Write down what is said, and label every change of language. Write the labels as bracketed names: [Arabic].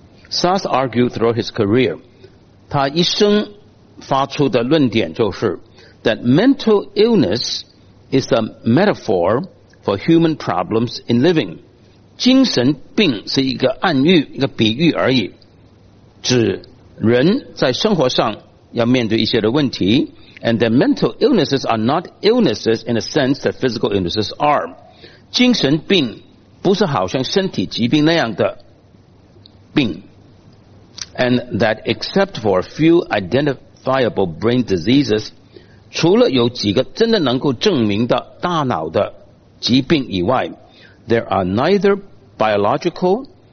[English] Sass argued throughout his career， [Chinese] 他一生发出的论点就是 [English] that mental illness is a metaphor for human problems in living。 [Chinese] 精神病是一个暗喻，一个比喻而已，指人在生活上要面对一些的问题。 [English] And that mental illnesses are not illnesses in a sense that physical illnesses are。 [Chinese] 精神病不是好像身体疾病那样的病。 [English] And that except for a few identifiable brain diseases， [Chinese] 除了有几个真的能够证明的大脑的疾病以外， [English] There are neither biological